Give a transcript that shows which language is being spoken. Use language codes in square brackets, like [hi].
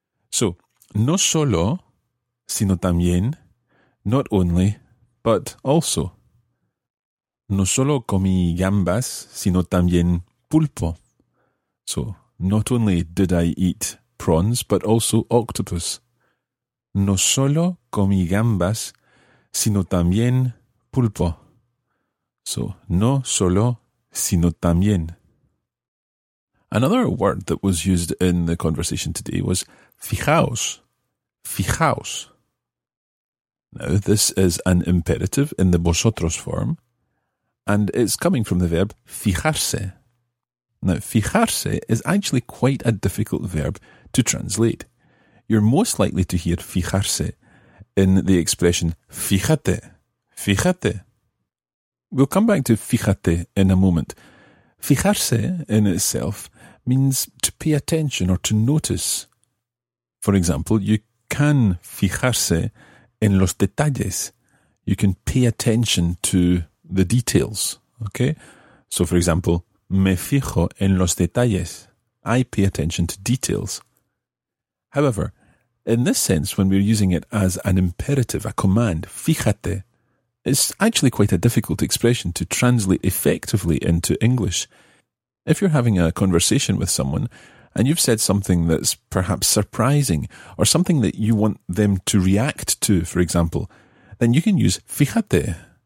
[en] So, [es] no solo, sino también, [en] not only, but also. [es] No solo comí gambas, sino también pulpo. [en] So, not only did I eat prawns, but also octopus. [es] No solo comí gambas, sino también pulpo. So, no solo, sino también. [en] Another word that was used in the conversation today was fijaos. Fijaos. Now, this is an imperative in the vosotros form, and it's coming from the verb fijarse. Now, fijarse is actually quite a difficult verb to translate. You're most likely to hear fijarse in the expression fíjate, fíjate. We'll come back to fíjate in a moment. Fijarse in itself means to pay attention or to notice. For example, you can [es] fijarse en los detalles. [en] You can pay attention to the details, okay? [es] So, for example, me fijo en los detalles. [en] I pay attention to details. However, in this sense, when we're using it as an imperative, a command, fíjate, it's actually quite a difficult expression to translate effectively into English. If you're having a conversation with someone and you've said something that's perhaps surprising or something that you want them to react to, for example, then you can use fíjate.